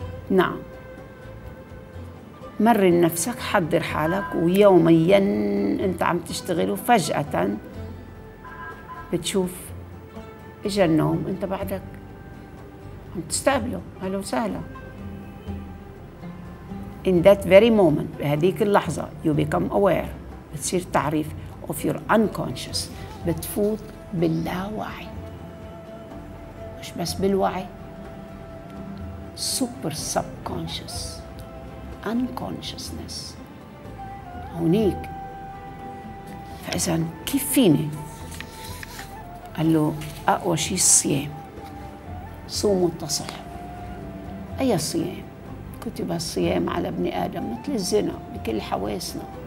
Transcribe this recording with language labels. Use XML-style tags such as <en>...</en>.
<ar>نعم مرن نفسك، حضر حالك، ويوميا انت عم تشتغل وفجأة بتشوف اجا النوم، انت بعدك عم تستقبله، اهلا وسهلا.</ar> <en>In that very moment،</en> <ar>بهذيك اللحظة</ar> <en>you become aware،</en> <ar>بتصير تعريف</ar> <en>of your unconscious،</en> <ar>بتفوت باللاوعي، مش بس بالوعي،</ar> <en>super subconscious unconsciousness</en> <ar>هونيك. فإذا كيف فيني؟ قال له أقوى شيء الصيام، صوم وتصح. أي صيام؟ كتب الصيام على ابن آدم مثل الزنا بكل حواسنا.</ar>